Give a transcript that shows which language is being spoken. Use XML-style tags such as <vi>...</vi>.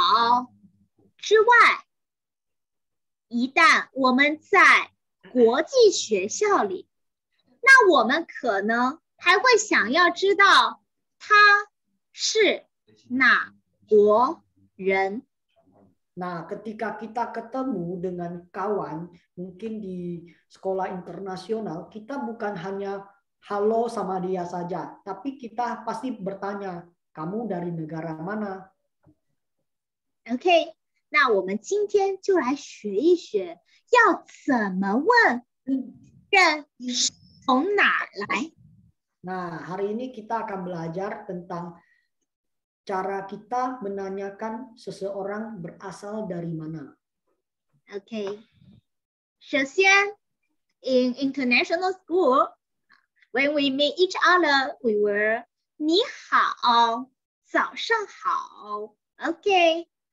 <zh>当我们和新朋友认识了之后，除了说一声你好之外， 一旦我们在国际学校里，那我们可能还会想要知道他是哪国人。Nah,</zh> <id>ketika kita ketemu dengan kawan, mungkin di sekolah internasional, kita bukan hanya halo sama dia saja, tapi kita pasti bertanya, kamu dari negara mana?</id> <en>Okay.</en> <zh>那我们今天就来学一学，要怎么问认识从哪来</zh> <id>Nah, hari ini kita akan belajar tentang cara kita menanyakan seseorang berasal dari mana.</id> <en>Okay. 首先 in international school, when we meet each other, we were</en> <zh>你好早上好</zh> <en>Okay.</en>